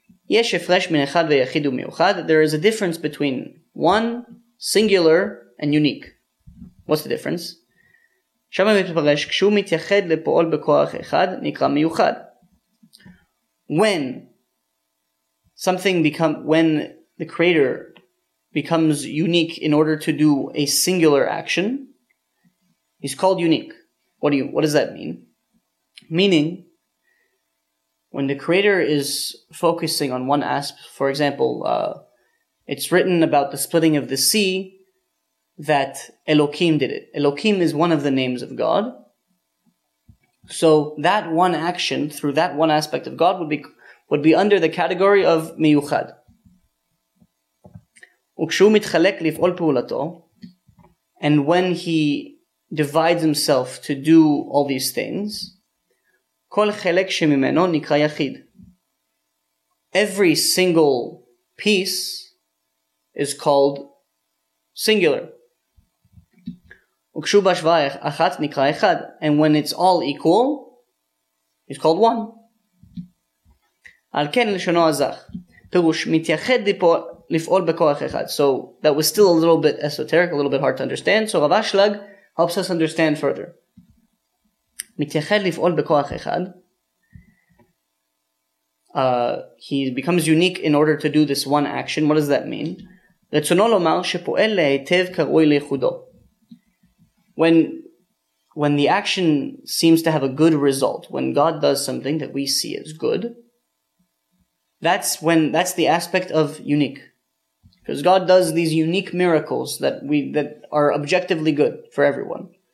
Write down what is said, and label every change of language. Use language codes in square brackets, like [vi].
[he] יש הפרש מן אחד ויחיד ומיוחד. [en] There is a difference between one, singular, and unique. What's the difference? [he] שם מתפרש, כשהוא מתייחד לפועל בכוח אחד, נקרא מיוחד. [en] When something become, when the creator becomes unique in order to do a singular action, he's called unique. What does that mean? Meaning, when the creator is focusing on one aspect, for example, it's written about the splitting of the sea that Elohim did it. Elohim is one of the names of God. So that one action through that one aspect of God would be under the category of miyuchad. [he] וכשהוא מתחלק לפעול פעולתו, [en] and when he divides himself to do all these things, [he] כל חלק שממנו נקרא יחיד. [en] Every single piece is called singular. [he] וכשהוא בהשוואה אחת נקרא אחד. [en] And when it's all equal, it's called one. [he] על כן לשונו הזך. פירוש, מתייחד לפעול, לפעול בכוח אחד. [en] So that was still a little bit esoteric, a little bit hard to understand. So רבה שלג helps us understand further. [he] מתייחד לפעול בכוח אחד. [en] He becomes unique in order to do this one action. What does that mean? [he] רצונו לומר שפועל להיטב כראוי ליחודו. [en] When the action seems to have a good result, when God does something that we see as good, that's the aspect of unique. Because God does these unique miracles that are objectively good for everyone.